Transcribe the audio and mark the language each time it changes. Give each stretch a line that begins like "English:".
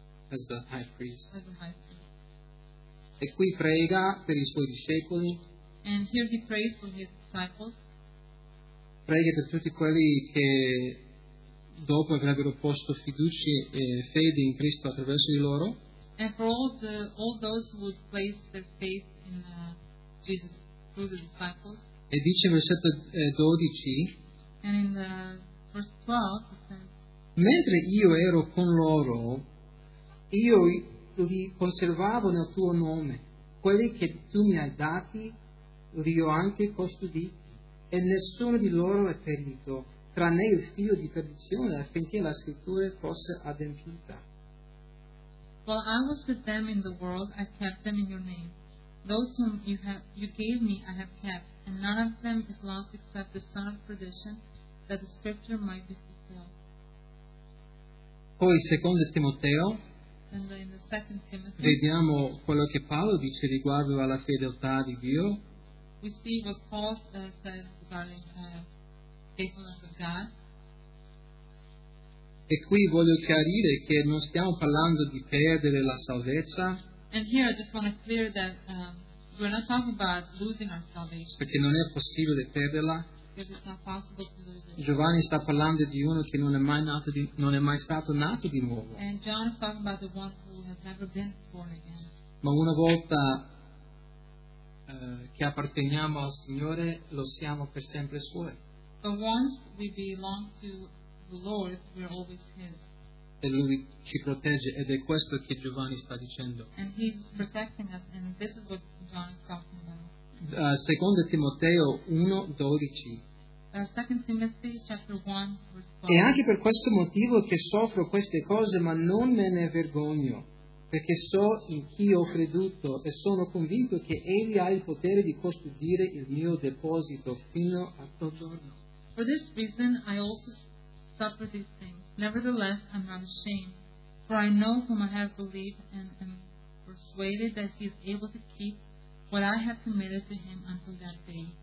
English: as the high priest. As the high priest.
Italian: E qui prega per i suoi discepoli.
English: And here he prays for his disciples.
Italian: Prega per tutti quelli che dopo avrebbero posto fiducia e fede in Cristo attraverso di loro.
English: And for all those who would place their faith in Jesus through the disciples.
Italian: E dice versetto 12.
English: And in the verse 12 it says,
Italian: mentre io ero con loro, io li conservavo nel tuo nome. Quelli che tu mi hai dati, li ho anche custoditi. E nessuno di loro è perito, tranne il figlio di perdizione, affinché la scrittura fosse adempiuta.
English: While I was with them in the world, I kept them in your name. Those whom you gave me, I have kept, and none of them is lost except the son of perdition, that the scripture might be fulfilled.
Italian: Poi, secondo Timoteo,
English: and in the second Timothy,
Italian: vediamo quello che Paolo dice riguardo alla fedeltà di Dio.
English: We see what Paul says regarding faithfulness of God.
Italian: E qui voglio chiarire che non stiamo parlando di perdere la salvezza.
English: And here I just want to clear that we're not talking about losing our salvation.
Italian: Perché non è possibile perderla.
English: Because it's not possible to lose it.
Italian: Giovanni sta parlando di uno che non è mai nato di, non è mai stato nato di nuovo.
English: And John is talking about the one who has never been born again.
Italian: Ma una volta che apparteniamo al Signore, lo siamo per sempre Suoi.
English: But once we belong to the Lord, we're always His.
Italian: E Lui ci protegge, ed è questo che Giovanni sta dicendo.
English: And He's protecting us, and this is what John is talking about.
Italian: Secondo Timoteo 1:12.
English: Second Timothy chapter 1, verse 12.
Italian: E anche per questo motivo che soffro queste cose, ma non me ne vergogno, perché so in chi ho creduto e sono convinto che Egli ha il potere di custodire il mio deposito fino a quel giorno.
English: For this reason I also suffer these things. Nevertheless, I'm not ashamed, for I know whom I have believed and am persuaded that He is able to keep what I have committed to Him until that day.